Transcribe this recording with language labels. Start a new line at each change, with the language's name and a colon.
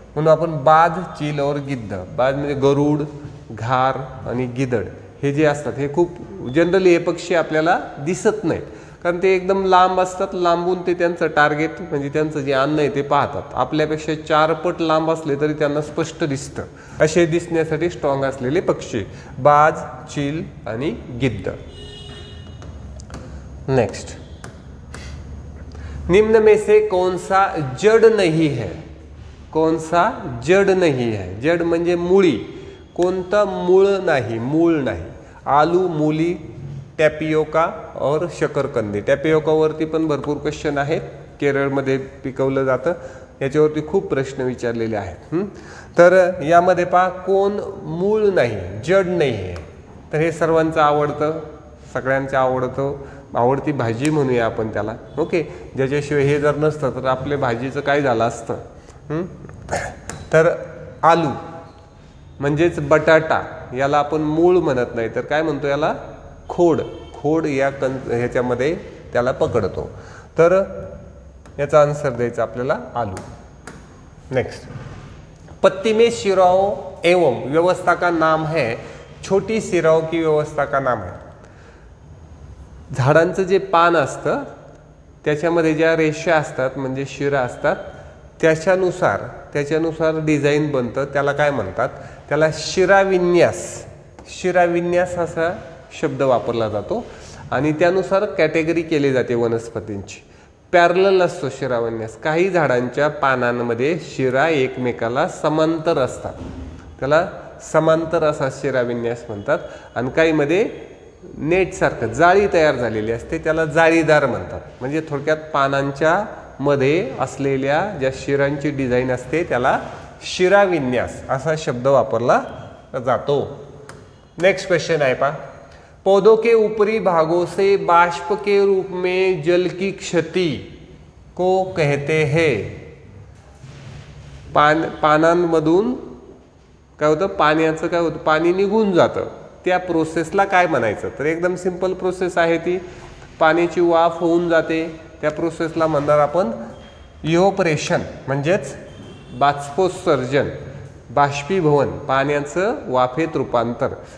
Marathi: म्हणून आपण
Hindi: बाज चील और गिद्ध,
Marathi: बाज म्हणजे गरुड, घार आणि गिदड, हे जे असतात हे खूप जनरली हे पक्षी आपल्याला दिसत नाहीत, कारण ते एकदम लांब असतात. लांबून ते त्यांचं टार्गेट म्हणजे त्यांचं जे अन्न आहे ते पाहतात. आपल्यापेक्षा 4 पट लांब असले तरी त्यांना स्पष्ट दिसतं. असे दिसण्यासाठी स्ट्रॉंग असलेले पक्षी बाज, चील आणि गिद्ध.
Hindi: नेक्स्ट, निम्न में से कौन सा जड नहीं है, कौन सा जड नहीं है.
Marathi: जड म्हणजे मुळी, कोणतं मूळ नाही, मूळ नाही.
Hindi: आलू, मुली, टॅपिओका और शकरकंदी.
Marathi: टॅपिओकावरती पण भरपूर क्वेश्चन आहेत, केरळमध्ये पिकवलं जातं, याच्यावरती खूप प्रश्न विचारलेले आहेत. तर यामध्ये पहा, कोण मूळ नाही, जड नाही आहे. तर हे सर्वांचं आवडतं, सगळ्यांचं आवडतं, आवडती भाजी म्हणूया आपण त्याला. ओके, ज्याच्याशिवाय हे जर नसतं तर आपल्या भाजीचं काय झालं असतं. तर आलू म्हणजेच बटाटा याला आपण मूळ म्हणत नाही तर काय म्हणतो याला खोड, खोड या कन ह्याच्यामध्ये त्याला पकडतो. तर याचा आन्सर द्यायचा आपल्याला आलू.
Hindi: नेक्स्ट, पत्ती में शिराव एवं व्यवस्था का नाम है, छोटी शिराव की व्यवस्था का नाम है.
Marathi: झाडांचं जे पान असतं त्याच्यामध्ये ज्या रेषा असतात म्हणजे शिरा असतात त्याच्यानुसार त्याच्यानुसार डिझाईन बनतं त्याला काय म्हणतात, त्याला शिराविन्यास, शिराविन्यास असा शब्द वापरला जातो आणि त्यानुसार कॅटेगरी केली जाते वनस्पतींची. पॅरलल असतो शिराविन्यास, काही झाडांच्या पानांमध्ये शिरा एकमेकाला समांतर असतात त्याला समांतर असा शिराविन्यास म्हणतात आणि काहीमध्ये नेटसारखं जाळी तयार झालेली असते त्याला जाळीदार म्हणतात. म्हणजे थोडक्यात पानांच्या मध्ये असलेल्या ज्या शिरांची डिझाईन असते त्याला शिराविन्यास असा शब्द वापरला जातो. नेक्स्ट क्वेश्चन आहे पा,
Hindi: पौधों के ऊपरी भागों से बाष्प के रूप में जल की क्षति को कहते हैं.
Marathi: पानांमधून काय होतं, पाण्याचं काय होतं, पाणी निघून जातं, त्या प्रोसेसला काय म्हणायचं, तर एकदम सिंपल प्रोसेस आहे ती, पाण्याची वाफ होऊन जाते त्या प्रोसेसला म्हणणार आपण इव्हपोरेशन म्हणजेच बाष्पोत्सर्जन, बाष्पीभवन, पाण्याचं वाफेत रूपांतर.